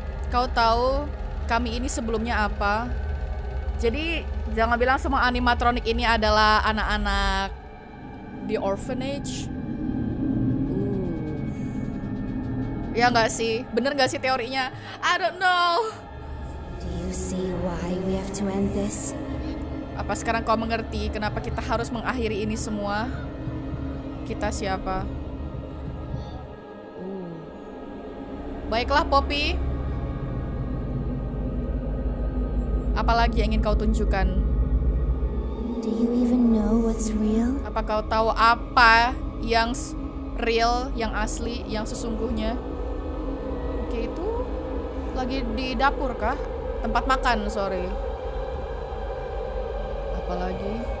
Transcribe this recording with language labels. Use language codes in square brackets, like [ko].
[id] Kau tahu kami ini sebelumnya apa? Jadi jangan bilang semua animatronik ini adalah anak-anak di orphanage. Ya enggak sih? Bener enggak sih teorinya? [en] I don't know. Do you see why we have to end this? [id] Apa sekarang kau mengerti kenapa kita harus mengakhiri ini semua? Kita siapa? Baiklah, Poppy. Apalagi yang ingin kau tunjukkan? [en] Do you even know what's real? [id] Apa kau tahu apa yang real, yang asli, yang sesungguhnya? Oke, itu lagi di dapur kah? Tempat makan, sorry. Apalagi?